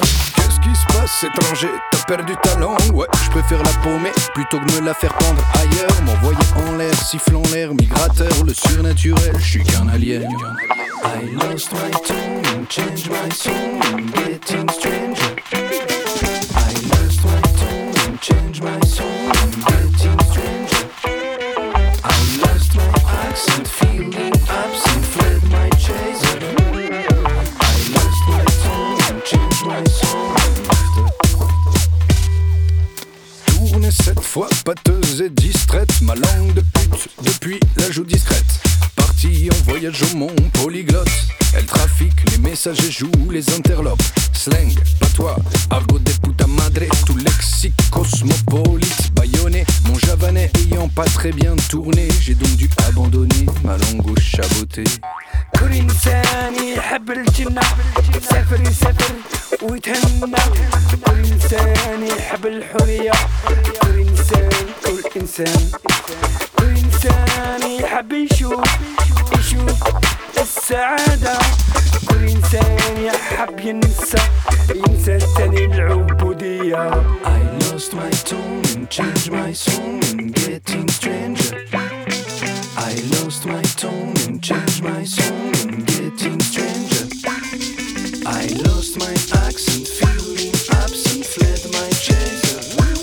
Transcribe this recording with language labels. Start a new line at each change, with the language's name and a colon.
French: Qu'est-ce qui se passe étranger, t'as perdu ta langue. Ouais, je préfère la paumer plutôt que me la faire pendre ailleurs. M'envoyer en l'air, sifflant l'air, migrateur, le surnaturel, je suis qu'un alien.
English: I lost my tongue, change my song, getting stranger. Change my soul, I'm getting stranger. I lost my accent, feeling absent, fled my chaser. I lost my tongue, change my soul.
French: Cette fois pâteuse et distraite, ma langue de pute depuis la joue discrète. Partie en voyage au monde polyglotte, elle trafique les messages et joue les interlopes. Slang, patois, argot des
Spanish: putas madre,
French: tout lexique cosmopolite, bayonnais. Mon javanais ayant pas très bien tourné, j'ai donc dû abandonner ma langue au chaboté.
Arabic: كل إنسان يحب الجنة سافر يسافر ويتهنى كل إنسان يحب الحرية كل إنسان كل إنسان كل إنسان يحب يشوف يشوف السعادة كل إنسان يحب ينسى ينسى تاني العبودية
English: I lost my tone and changed my song and getting stranger I lost my tone and changed my my soul and getting stranger. I lost my accent, feeling absent, fled my chaser.